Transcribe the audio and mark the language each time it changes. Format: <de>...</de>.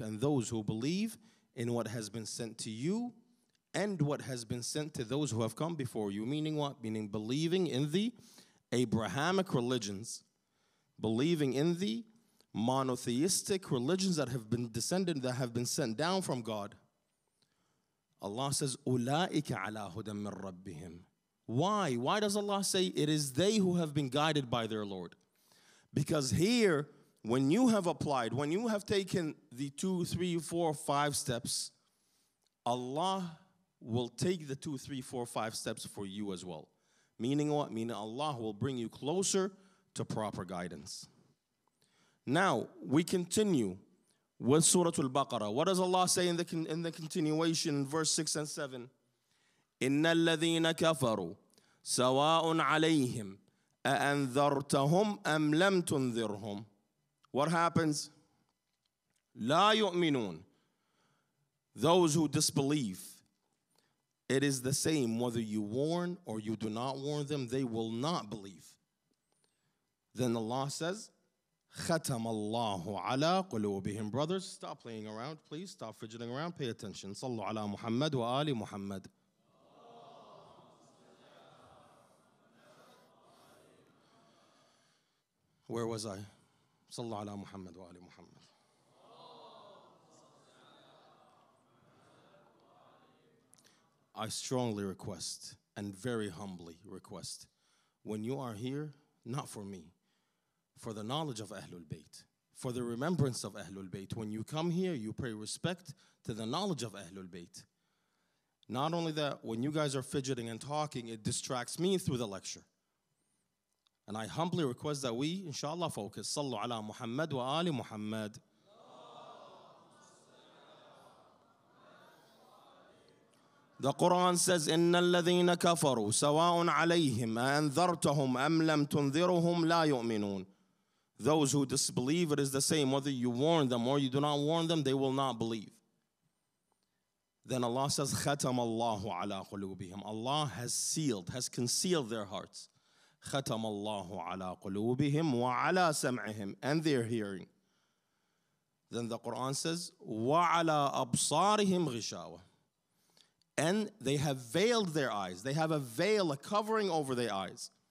<en>And those who believe in what has been sent to you and what has been sent to those who have come before you. Meaning what? Meaning believing in the Abrahamic religions, believing in the monotheistic religions that have been descended, that have been sent down from God. Allah says,</en> <ar>أُولَٰئِكَ عَلَىٰ هُدًى مِّن رَبِّهِمْ.</ar> <en>Why? Why does Allah say it is they who have been guided by their Lord? Because here, when you have applied, when you have taken the 2, 3, 4, 5 steps, Allah will take the 2, 3, 4, 5 steps for you as well. Meaning what? Meaning Allah will bring you closer to proper guidance. Now, we continue with Surah Al-Baqarah. What does Allah say in the continuation, verse 6 and 7?</en> <ar>إِنَّ الَّذِينَ كَفَرُوا سَوَاءٌ عَلَيْهِمْ أَأَنذَرْتَهُمْ أَمْ لَمْ تُنذِرْهُمْ.</ar> <en>What happens?</en> <ar>لَا يُؤْمِنُونَ.</ar> <en>Those who disbelieve, it is the same whether you warn or you do not warn them, they will not believe. Then Allah says,</en> <ar>خَتَمَ اللَّهُ عَلَىٰ قُلُوبِهِمْ.</ar> <en>Brothers, stop playing around, please. Stop fidgeting around. Pay attention.</en> <ar>صَلُّوا عَلَىٰ مُحَمَّدْ وَآلِ مُحَمَّدْ.</ar> <en>Where was I?</en> <ar>صَلُّوا عَلَىٰ مُحَمَّدْ وَآلِ مُحَمَّدْ.</ar> <en>I strongly request and very humbly request, when you are here, not for me, for the knowledge of Ahlul Bayt, for the remembrance of Ahlul Bayt. When you come here, you pray respect to the knowledge of Ahlul Bayt. Not only that, when you guys are fidgeting and talking, it distracts me through the lecture. And I humbly request that we, inshallah, focus.</en> <ar>Sallu ala Muhammad wa Ali Muhammad.</ar> <en>The Quran says,</en> <ar>إِنَّ الَّذِينَ كَفَرُوا سَوَاءٌ عَلَيْهِمْ أَنذَرْتَهُمْ أَمْ لَمْ تُنذِرُهُمْ لَا يُؤْمِنُونَ.</ar> <en>Those who disbelieve, it is the same. Whether you warn them or you do not warn them, they will not believe. Then Allah says,</en> <ar>خَتَمَ اللَّهُ عَلَىٰ قُلُوبِهِمْ.</ar> <en>Allah has sealed, has concealed their hearts.</en> <ar>خَتَمَ اللَّهُ عَلَىٰ قُلُوبِهِمْ وَعَلَىٰ سَمْعِهِمْ.</ar> <en>And their hearing. Then the Quran says,</en> <ar>وَعَلَىٰ أَبْصَارِهِمْ غِشَاوَةٌ.</ar> <en>And they have veiled their eyes. They have a veil, a covering over their eyes.</en>